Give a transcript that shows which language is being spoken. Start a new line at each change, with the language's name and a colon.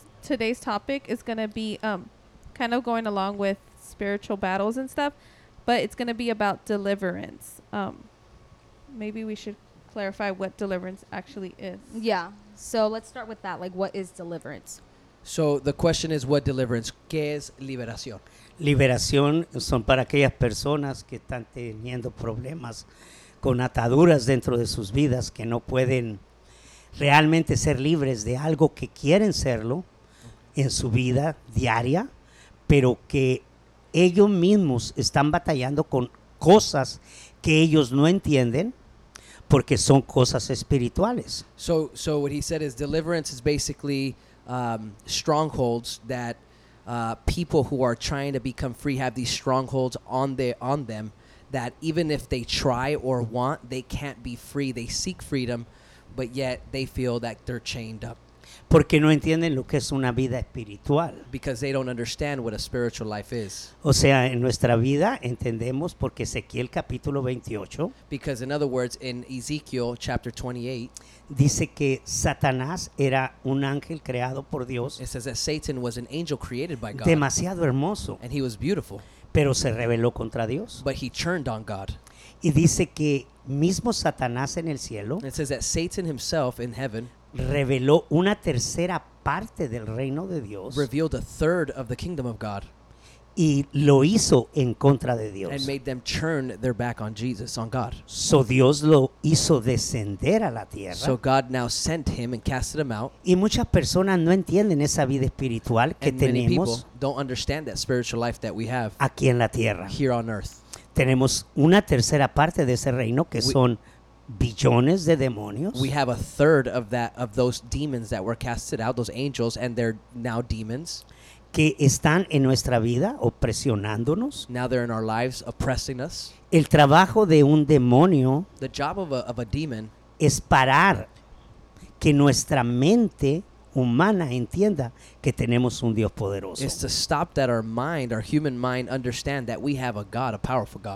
English: Today's topic is going to be kind of going along with spiritual battles and stuff, but it's going to be about deliverance. Maybe we should clarify what deliverance actually is. Yeah, so let's start with that. Like, what is deliverance? So the question is, what deliverance?
Spanish: ¿Qué es liberación? Liberación son para aquellas personas que están teniendo problemas con ataduras dentro de sus vidas, que no pueden realmente ser libres de algo que quieren serlo en su vida diaria, pero que ellos mismos están batallando con cosas que ellos no entienden porque son cosas espirituales.
English: So what he said is deliverance is basically strongholds that people who are trying to become free have these strongholds on them that even if they try or want, they can't be free. They seek freedom, but yet they feel that they're chained up.
Spanish: Porque no entienden lo que es una vida espiritual.
English: Because they don't understand what a spiritual life is.
Spanish: O sea, en nuestra vida entendemos porque Ezequiel capítulo 28.
English: Because in other words, in Ezekiel chapter 28.
Spanish: Dice que Satanás era un ángel creado por Dios.
English: It says that Satan was an angel created by God.
Spanish: Demasiado hermoso.
English: And he was beautiful.
Spanish: Pero se rebeló contra Dios.
English: But he turned on God.
Spanish: Y dice que mismo Satanás en el cielo.
English: It says that Satan himself in heaven.
Spanish: Reveló una tercera parte del reino de Dios.
English: Revealed a third of the kingdom of God.
Spanish: Y lo hizo en contra de Dios.
English: And made them turn their back on Jesus, on God.
Spanish: So Dios lo hizo descender a la tierra.
English: So God now sent him and casted him out.
Spanish: Y muchas personas no entienden esa vida espiritual que tenemos.
English: Many people don't understand that spiritual life that we have.
Spanish: Aquí en la tierra.
English: Here on earth.
Spanish: Tenemos una tercera parte de ese reino que son billones de demonios.
English: We have a third of that, of those demons that were casted out, those angels, and they're now demons.
Spanish: Que están en nuestra vida opresionándonos.
English: Now they're in our lives oppressing us.
Spanish: El trabajo de un demonio.
English: The job of a demon.
Spanish: Es parar que nuestra mente humana entienda que tenemos un Dios poderoso.
English: It's to stop that our mind, our human mind, understand that we have a God, a powerful God.